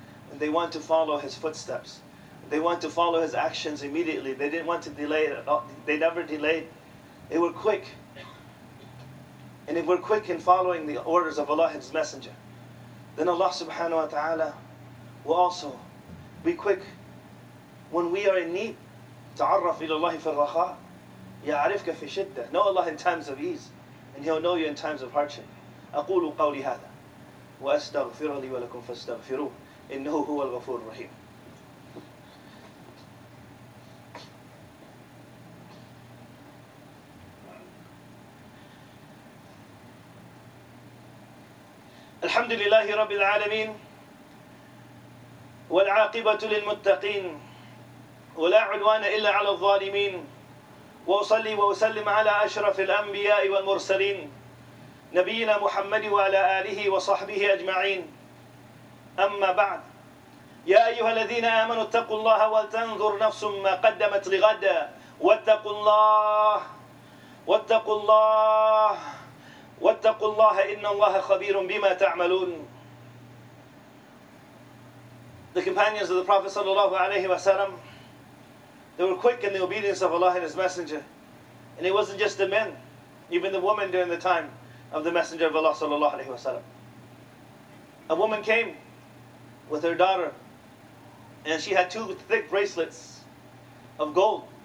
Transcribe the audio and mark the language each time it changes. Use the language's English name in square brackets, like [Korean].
[English] And they want to follow His footsteps. They want to follow His actions immediately. They didn't want to delay it at all. They never delayed. They were quick. And if we're quick in following the orders of Allah and His Messenger, then Allah subhanahu wa ta'ala will also be quick when we are in need. [Arabic] تعرف إلى الله في الرخاء يعرفك في شدة. [English] Know Allah in times of ease, and He'll know you in times of hardship. [Arabic] أقول قولي هذا وأستغفر لي ولكم فاستغفروه إنه هو الغفور الرحيم. الحمد لله رب العالمين والعاقبة للمتقين ولا عدوان إلا على الظالمين وأصلي وأسلم على أشرف الأنبياء والمرسلين نبينا محمد وعلى آله وصحبه أجمعين. أما بعد، يا أيها الذين آمنوا اتقوا الله ولتنظر نفس ما قدمت لغدا واتقوا الله واتقوا الله واتقوا الله إن الله خبير بما تعملون. [English] The companions of the Prophet sallallahu alayhi wa sallam, they were quick in the obedience of Allah and His Messenger. And it wasn't just the men, even the women during the time of the Messenger of Allah sallallahu alayhi wa sallam. A woman came with her daughter, and she had two thick bracelets of gold.